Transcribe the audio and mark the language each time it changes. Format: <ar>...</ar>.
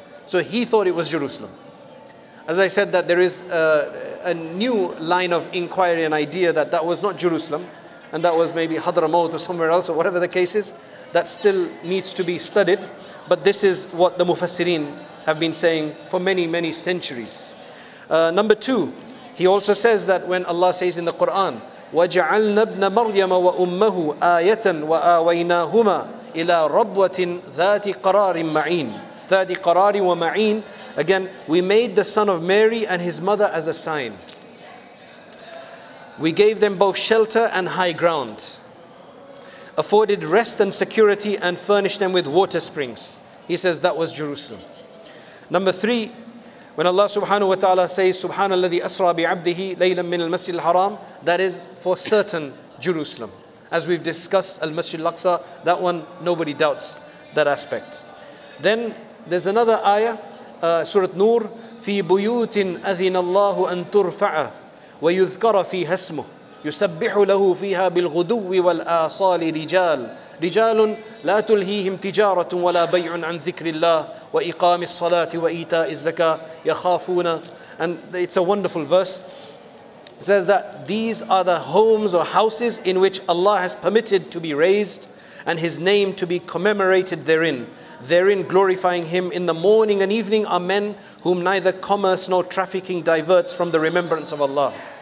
<en>So he thought it was Jerusalem. As I said, that there is a new line of inquiry and idea that was not Jerusalem, and that was maybe Hadramaut or somewhere else or whatever the case is, that still needs to be studied. But this is what the Mufassirin have been saying for many, many centuries. Number two, he also says that when Allah says in the Quran,</en> <ar>وَجَعَلْنَا ابْنَ مَرْيَمَ وَأُمَّهُ آيَةً وَآوَيْنَاهُمَا إِلَىٰ رَبْوَةٍ ذَاتِ قَرَارٍ مَعِينٍ ذَاتِ قَرَارٍ وَمَعِينٍ.</ar> <en>Again, we made the son of Mary and his mother as a sign. We gave them both shelter and high ground, afforded rest and security, and furnished them with water springs. He says that was Jerusalem. Number three, when Allah subhanahu wa ta'ala says,</en> <ar>Subhanalladhi asra bi'abdihi laylan min al-masjid al-haram,</ar> <en>that is for certain Jerusalem. As we've discussed al-masjid al-Aqsa, that one, nobody doubts that aspect. Then there's another ayah, Surah Nur,</en> <ar>fi buyutin adhina Allahu an turfa'a وَيُذْكَرَ فِيهَا اسْمُهُ يُسَبِّحُ لَهُ فِيهَا بِالْغُدُوِّ وَالْآصَالِ رِجَالٌ لَا تُلْهِيهِمْ تِجَارَةٌ وَلَا بَيْعٌ عَنْ ذِكْرِ اللَّهِ وَإِقَامِ الصَّلَاةِ وَإِيتَاءِ الزَّكَاةِ يَخَافُونَ.</ar> <en>And it's a wonderful verse. It says that these are the homes or houses in which Allah has permitted to be raised and His name to be commemorated therein. Therein glorifying Him in the morning and evening are men whom neither commerce nor trafficking diverts from the remembrance of Allah.</en>